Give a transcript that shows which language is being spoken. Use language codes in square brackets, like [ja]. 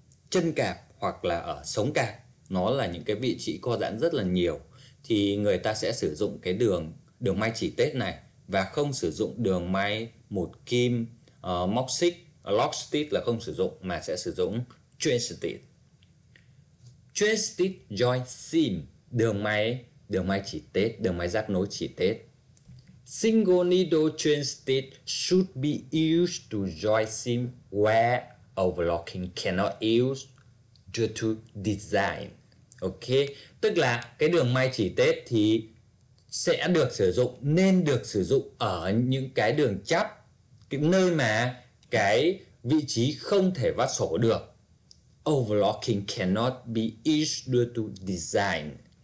[vi] chân cạp hoặc là ở sống cạp nó là những cái vị trí co giãn rất là nhiều thì người ta sẽ sử dụng cái đường đường may chỉ tết này và không sử dụng đường may một kim móc xích lock stitch là không sử dụng mà sẽ sử dụng chain stitch joint seam đường may chỉ tết đường may giáp nối chỉ tết. [en] Single needle chain stitch should be used to join seam where overlocking cannot use due to design. [vi] Ok, tức là cái đường may chỉ tết thì sẽ được sử dụng, nên được sử dụng ở những cái đường chắp, cái nơi mà cái vị trí không thể vắt sổ được. [en] Overlocking cannot be used due to design.